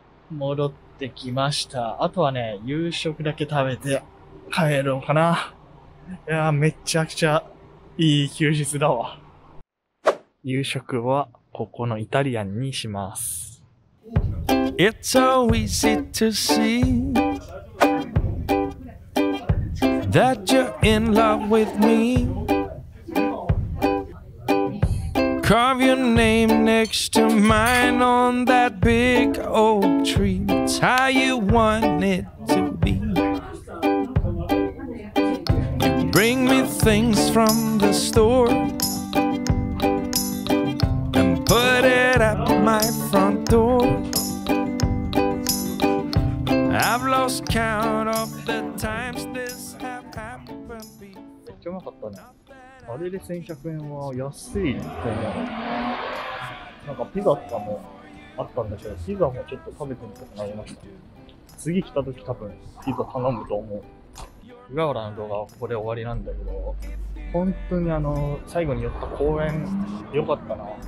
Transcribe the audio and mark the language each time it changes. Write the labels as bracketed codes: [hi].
[ja] 戻ってきました。あとはね、夕食だけ食べて帰ろうかな。いや、めちゃくちゃいい休日だわ。夕食はここのイタリアンにします。 [en] It's so easy to see that you're in love with me. Carve your name next to mine on that big oak tree. It's how you want it to be. You bring me things from the store and put it at my front door. I've lost count of the times this have happened before. [ja] めっちゃうまかったね。あれで1100円は安いと思う。なんかピザとかもあったんだけど、ピザもちょっと食べてみたくなりました。次来た時多分ピザ頼むと思う。湯河原の動画はここで終わりなんだけど、本当に最後に寄った公園良かったな。